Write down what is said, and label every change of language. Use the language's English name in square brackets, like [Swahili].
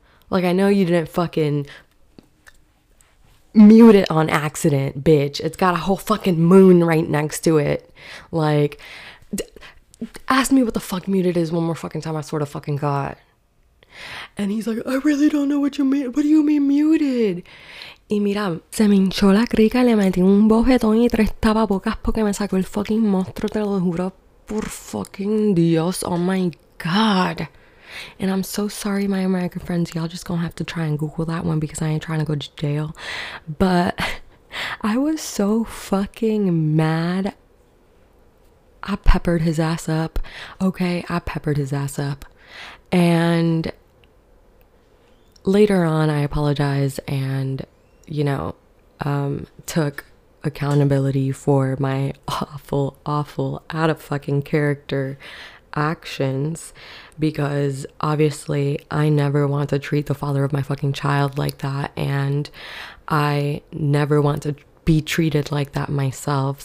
[English] Like, I know you didn't fucking mute it on accident, bitch. It's got a whole fucking moon right next to it. Like, ask me what the fuck muted is one more fucking time, I swear to fucking God. And he's like, I really don't know what you mean. What do you mean muted? [Spanish] Y mira, se me hinchó la crica, le metí un bofetón y tres tapabocas porque me sacó el fucking monstruo, te lo juro por fucking Dios. [English] Oh my God. And I'm so sorry, my American friends. Y'all just gonna have to try and Google that one, because I ain't trying to go to jail. But I was so fucking mad. I peppered his ass up. Okay, I peppered his ass up. And later on, I apologized and, you know, took accountability for my awful, awful, out of fucking character actions, because obviously I never want to treat the father of my fucking child like that, and I never want to be treated like that myself.